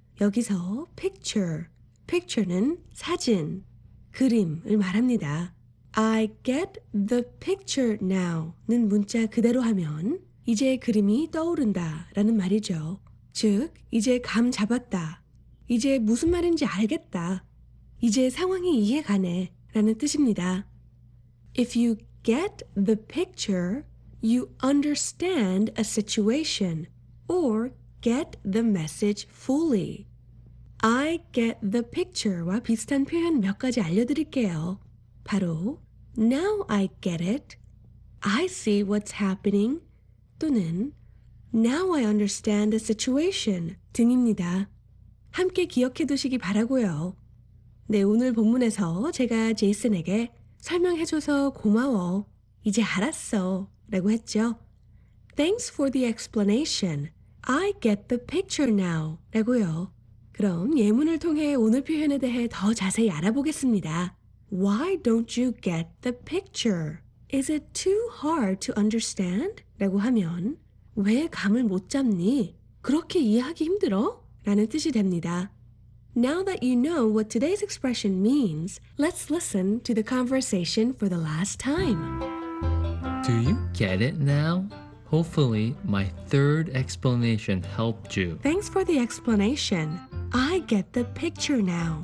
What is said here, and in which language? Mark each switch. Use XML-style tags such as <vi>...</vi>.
<ko>여기서 picture, picture는 사진, 그림을 말합니다.</ko> <en>I get the picture now</en> <ko>는 문자 그대로 하면 이제 그림이 떠오른다 라는 말이죠. 즉, 이제 감 잡았다. 이제 무슨 말인지 알겠다. 이제 상황이 이해가네. 라는 뜻입니다.</ko> <en>If you get the picture, you understand a situation or get the message fully. I get the picture</en> <ko>와 비슷한 표현 몇 가지 알려드릴게요.</ko> <en>바로, Now I get it. I see what's happening. 또는, Now I understand the situation 등입니다.</en> <ko>함께 기억해 두시기 바라고요. 네, 오늘 본문에서 제가 제이슨에게 설명해 줘서 고마워. 이제 알았어. 라고 했죠.</ko> <en>Thanks for the explanation. I get the picture now. 라고요.</en> <ko>그럼 예문을 통해 오늘 표현에 대해 더 자세히 알아보겠습니다.</ko> <en>Why don't you get the picture? Is it too hard to understand?</en> <ko>라고 하면 왜 감을 못 잡니? 그렇게 이해하기 힘들어? 라는 뜻이 됩니다.</ko> <en>Now that you know what today's expression means, let's listen to the conversation for the last time. Do Do you get it now? Hopefully, my third explanation helped you. Thanks for the explanation. I get the picture now.</en>